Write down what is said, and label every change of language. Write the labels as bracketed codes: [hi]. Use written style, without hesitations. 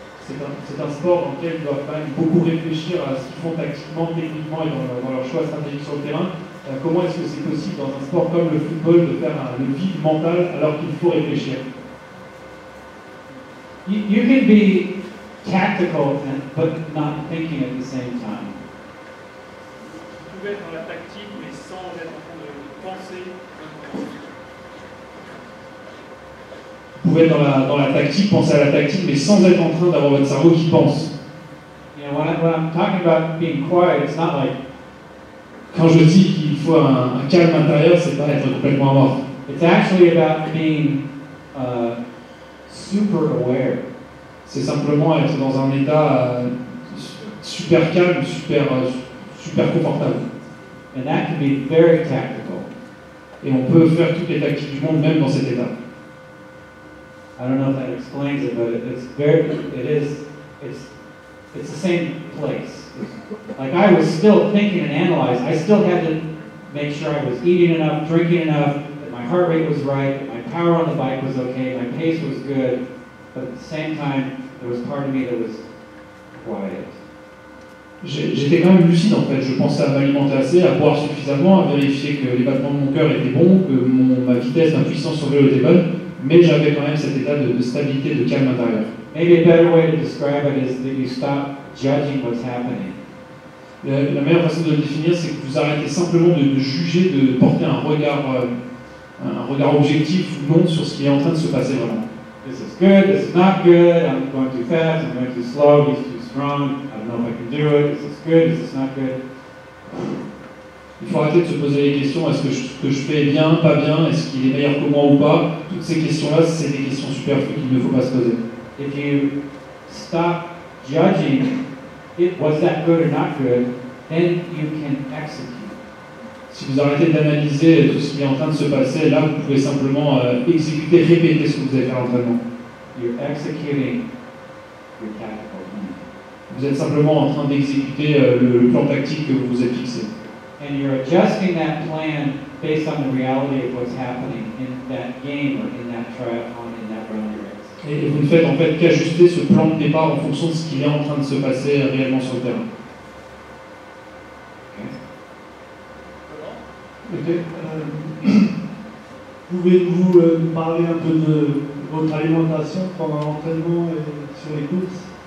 [fr] Ils doivent quand même beaucoup réfléchir à ce qu'ils font tactiquement, techniquement et dans leur choix stratégique sur le terrain. Comment est-ce que c'est possible dans un sport comme le football de faire le vide mental alors qu'il faut réfléchir? [en] You can be tactical but not thinking at the same time. [fr] Vous pouvez être dans la tactique mais sans être en train de penser. Vous pouvez être dans la tactique, penser à la tactique mais sans être en train d'avoir votre cerveau qui pense. [en] When I'm talking about being quiet, it's not like [fr] quand je dis qu'il faut un calme intérieur, c'est pas être complètement mort. [en] It's actually about being super aware. [fr] C'est simplement être dans un état super calme, super confortable. [en] And that can be very tactical. [fr] Et on peut faire toutes les tactiques du monde même dans cet état. [en] I don't know if that explains it, but it's the same place. Like I was still thinking and analyzing. I still had to make sure I was eating enough, drinking enough, that my heart rate was right, that my power on the bike was okay, my pace was good. But at the same time, there was part of me that was quiet. [fr] J'étais quand même lucide en fait. Je pensais à m'alimenter assez, à boire suffisamment, à vérifier que les battements de mon cœur étaient bons, que ma vitesse d'impuissance sur le vélo était bonne. Mais j'avais quand même cet état de stabilité, de calme intérieur. [en] Maybe a better way to describe it is that you stop judging what's happening. [fr] La meilleure façon de le définir, c'est que vous arrêtez simplement de juger, de porter un regard objectif ou non sur ce qui est en train de se passer vraiment. [en] This is good, this is not good, I'm going too fast, I'm going too slow, he's too strong, I don't know if I can do it, this is good, this is not good. [fr] Il faut arrêter de se poser les questions, est-ce que ce que je fais est bien, pas bien, est-ce qu'il est meilleur que moi ou pas. Toutes ces questions-là, c'est des questions superflues qu'il ne faut pas se poser. [en] If you stop judging it was that good or not good, then you can execute. [fr] Si vous arrêtez d'analyser tout ce qui est en train de se passer, là vous pouvez simplement exécuter, répéter ce que vous avez fait en entraînement. [en] You're executing your tactical plan. [fr] Vous êtes simplement en train d'exécuter le plan tactique que vous vous êtes fixé. [en] And you're adjusting that plan based on the reality of what's happening in that game or in that triathlon, in that run. [fr] Et vous ne faites en fait qu'ajuster ce plan de départ en fonction de ce qui est en train de se passer réellement sur le terrain. Pouvez-vous nous parler un peu de votre alimentation pendant l'entraînement et sur les courses?